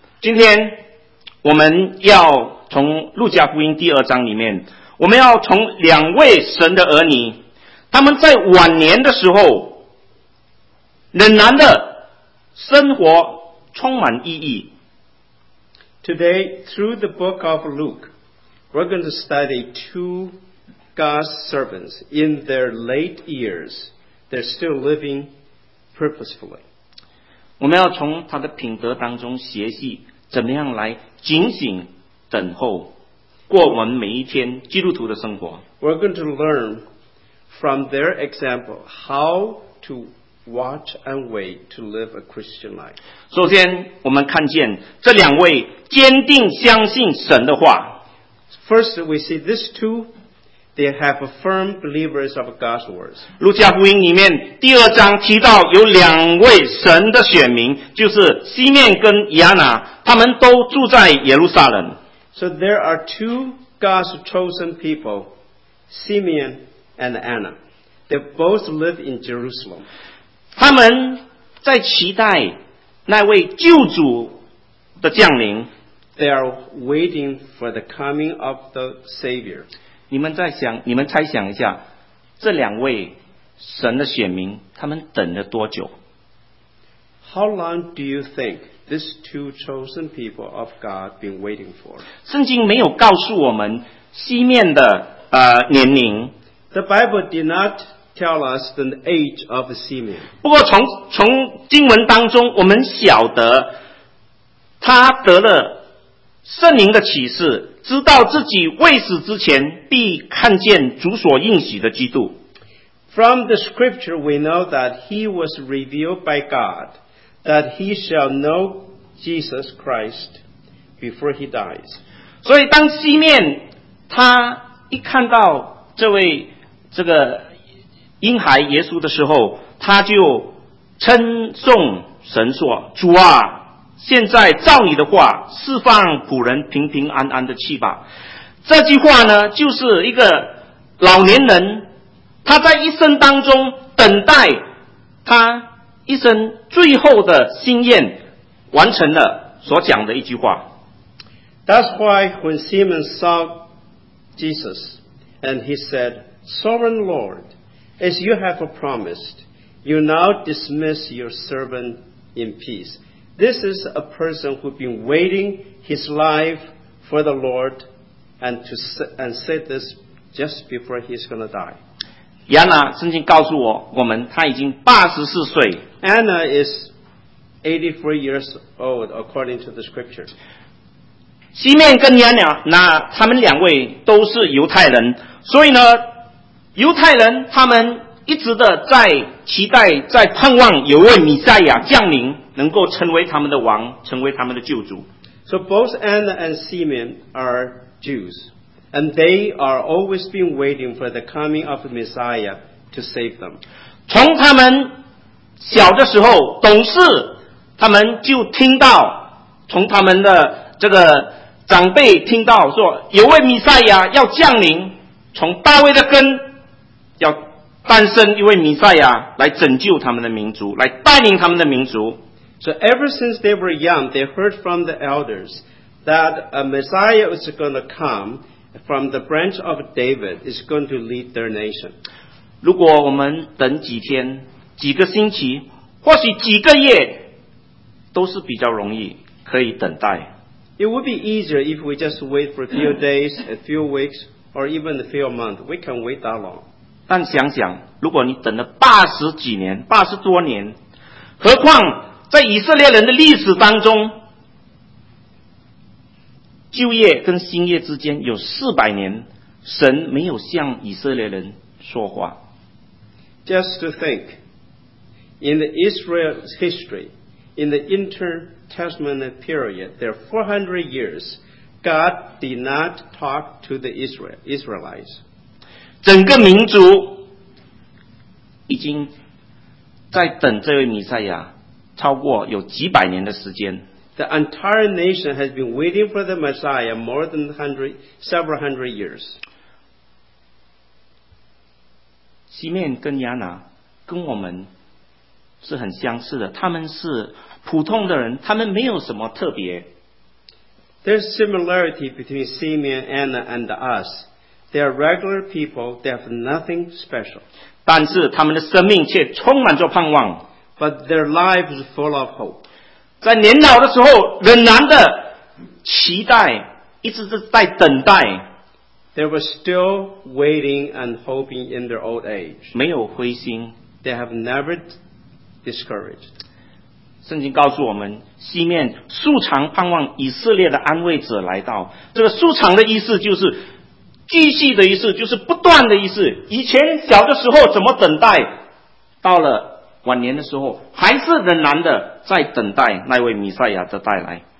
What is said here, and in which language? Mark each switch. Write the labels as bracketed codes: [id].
[zh] 今天我们要从路加福音第二章里面，我们要从两位神的儿女，他们在晚年的时候仍然的生活充满意义。 [en] Today, through the book of Luke, we're going to study two God's servants in their late years, they're still living purposefully. [zh] 我们要从他的品德当中学习怎么样来警醒等候过我们每一天基督徒的生活。 [en] We're going to learn from their example how to watch and wait to live a Christian life. [zh] 首先我们看见这两位坚定相信神的话。 [en] First we see these two, they have a firm believers of God's words. [zh] 路加福音里面第二章提到有两位神的选民，就是西面跟亚拿，他们都住在耶路撒冷。 [en] So there are two God's chosen people, Simeon and Anna. They both live in Jerusalem. [zh] 他们在期待那位救主的降临。 [en] They are waiting for the coming of the Savior. [zh] 你们猜想一下，这两位神的选民，他们等了多久？ [en] How long do you think these two chosen people of God been waiting for? [zh] 圣经没有告诉我们西面的年龄。 [en] The Bible did not tell us the age of Simeon. [zh] 不过从经文当中我们晓得他得了圣灵的启示，知道自己未死之前必看见主所应许的基督。 [en] From the scripture we know that he was revealed by God that he shall know Jesus Christ before he dies. [zh] 所以当西面他一看到这个婴孩耶稣的时候，他就称颂神说，主啊，现在照你的话释放仆人平平安安的气吧。这句话呢，就是一个老年人他在一生当中等待他一生最后的心愿完成了所讲的一句话。 [en] That's why when Simon saw Jesus and he said, Sovereign Lord, as you have promised, you now dismiss your servant in peace. This is a person who's been waiting his life for the Lord and said this just before he's going to die. [zh] Anna, 圣经告诉我们他已经84岁。 [en] Anna is 84 years old, according to the scriptures. [zh] 西面跟亚娜，那他们两位都是犹太人，所以呢，犹太人他们一直的在期待，在盼望有位弥赛亚降临，能够成为他们的王，成为他们的救主。 [en] So both Anna and Simeon are Jews, and they are always been waiting for the coming of the Messiah to save them. [zh] 从他们小的时候懂事，他们就听到，从他们的这个长辈听到说有位弥赛亚要降临，从大卫的根要诞生一位弥赛亚来拯救他们的民族，来带领他们的民族。 [en] So ever since they were young, they heard from the elders that a Messiah is going to come from the branch of David, is going to lead their nation. [zh] 如果我们等几天几个星期或许几个月都是比较容易可以等待。 [en] It would be easier if we just wait for a few days, a few weeks, or even a few months. We can wait that long. [zh] 但想想如果你等了八十几年八十多年，何况在以色列人的历史当中旧约跟新约之间有四百年神没有向以色列人说话。 [en] Just to think, in the Israel's history, in the intertestamental period, there are 400 years, God did not talk to the Israelites. [zh] 整个民族已经在等这位弥赛亚超过有几百年的时间。 [en] The entire nation has been waiting for the Messiah more than several hundred years. [zh] 西面跟亚拿跟我们是很相似的，他们是普通的人，他们没有什么特别。 [en] There's similarity between Simeon and Anna and us. They are regular people. They have nothing special. [zh] 但是他们的生命却充满着盼望。 [en] But their life is full of hope. [zh] 在年老的时候仍然的期待，一直在等待。 [en] They were still waiting and hoping in their old age. [zh] 没有灰心。 [en] They have never discouraged. [zh] 圣经告诉我们西面素常盼望以色列的安慰者来到，这个素常的意思就是继续的意思，就是不断的意思。以前小的时候怎么等待，到了晚年的时候还是仍然的在等待那位弥赛亚的带来。